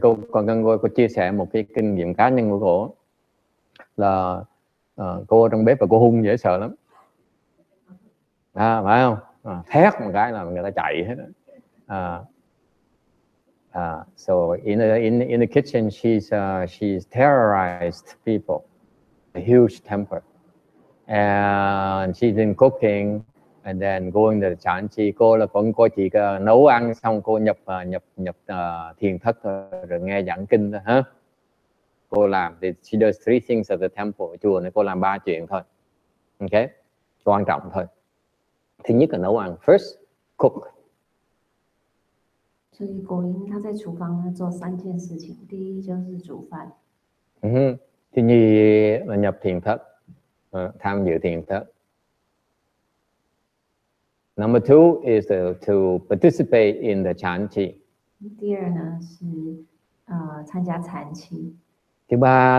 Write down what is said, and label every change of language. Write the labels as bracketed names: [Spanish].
[Vietnamese] Cô còn gần gũi, cô chia sẻ một cái kinh nghiệm cá nhân của cô. Là cô trong bếp và cô hung dễ sợ lắm. À, phải không? À, thét một cái là người ta chạy hết. [English] So in the kitchen she's terrorized people, a huge temper, and she's been cooking and then going to the chan chi. [Vietnamese] Cô là con cô chỉ nấu ăn xong cô nhập thiền thất rồi nghe giảng kinh thôi, huh? Cô làm thì [English] she does three things at the temple, [Vietnamese] chùa này cô làm ba chuyện thôi, okay, quan trọng thôi. Thứ nhất là nấu ăn, [English] first cook. [Chinese] 所以果因他在厨房呢做三件事情，第一就是煮饭，嗯哼，第二 [Vietnamese] là nhập thiền thất, tham dự thiền thất. [English] Number two is to participate in the chan chi. [Chinese] 第二呢是参加禅期。第八